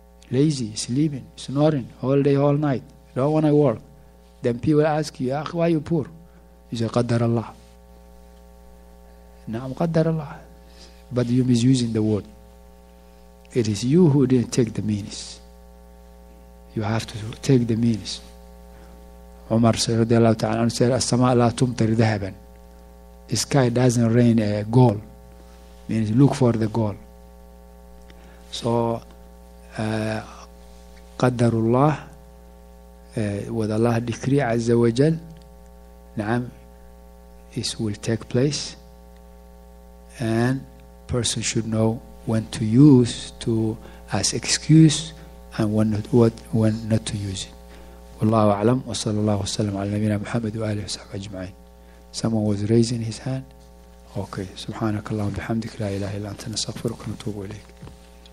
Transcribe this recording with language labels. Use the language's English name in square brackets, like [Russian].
[English] Lazy, sleeping, snoring, all day, all night. Don't want to work. Then people ask you, why are you poor? You say, [Arabic] قدر الله. نعم, قدر الله. [English] But you misusing the word. It is you who didn't take the means. You have to take the means. Umar said, [Arabic] السماء لا تمطر ذهبا. [English] The sky doesn't rain a gold. Means look for the gold. So, [Arabic] قدر الله [English] with Allah decree [Arabic] عز وجل, نعم, [English] this will take place and person should know when to use to as excuse and when not to use it. [Arabic] والله أعلم, وصلى الله وسلم على نبينا محمد وآله وصحبه أجمعين. [English] Someone was raising his hand. Okay. [Arabic] سبحانك اللهم بحمدك, لا إله إلا أنت, نستغفرك ونتوب إليك.